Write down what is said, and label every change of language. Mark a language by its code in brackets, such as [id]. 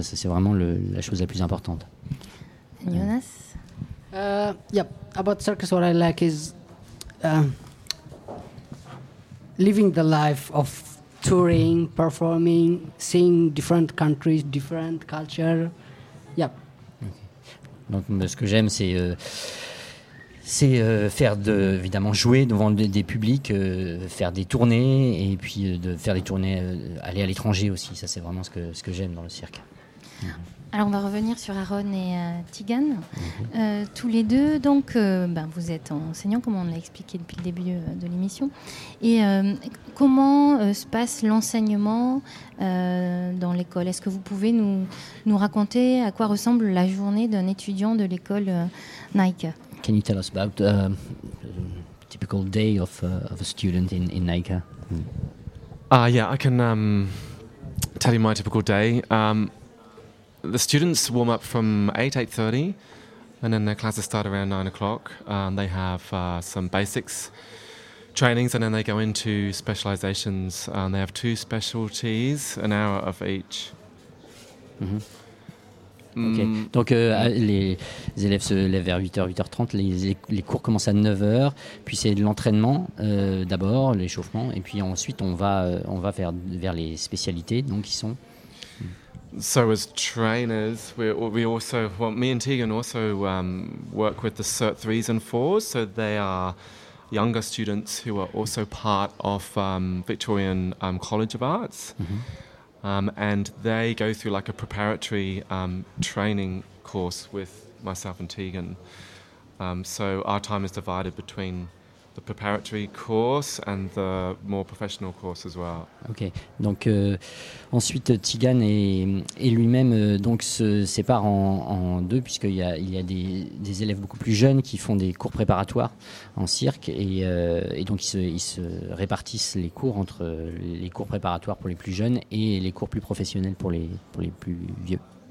[fr] Ça c'est vraiment la chose la plus importante. Jonas, [en] yeah, about circus, what I like is living the life of touring, performing, seeing different countries, different culture. Yep. [fr] Donc, ce que j'aime, c'est faire évidemment jouer devant des publics, faire des tournées et puis de faire des tournées, aller à l'étranger aussi. Ça, c'est vraiment ce que j'aime dans le cirque. Alors, on va revenir sur Aaron et Tigan. Mm-hmm. Tous les deux, donc, vous êtes enseignants, comme on l'a expliqué depuis le début de l'émission. Et comment se passe l'enseignement dans l'école? Est-ce que vous pouvez nous raconter à quoi ressemble la journée d'un étudiant de l'école Nike? [en] Can you tell us about a typical day of a student in Nike? Yeah, I can tell you my typical day. The students warm up from 8:30, and then their classes start around 9:00. They have some basics trainings, and then they go into specializations. They have two specialties, an hour of each. Mm-hmm. Okay. [fr] Donc les élèves se lèvent vers 8h, 8h30. Les cours commencent à 9h. Puis c'est de l'entraînement d'abord, l'échauffement, et puis ensuite on va vers les spécialités, donc qui sont. [en] So as trainers, me and Tegan also work with the Cert 3s and 4s. So they are younger students who are also part of Victorian College of Arts. Mm-hmm. And they go through like a preparatory training course with myself and Tegan. So our time is divided between the preparatory course and the more professional course as well. Okay. [fr] Donc ensuite Tigan et lui-même donc se séparent en deux puisqu'il y a des élèves beaucoup plus jeunes qui font des cours préparatoires en cirque et donc ils se répartissent les cours entre les cours préparatoires pour les plus jeunes et les cours plus professionnels pour les plus vieux.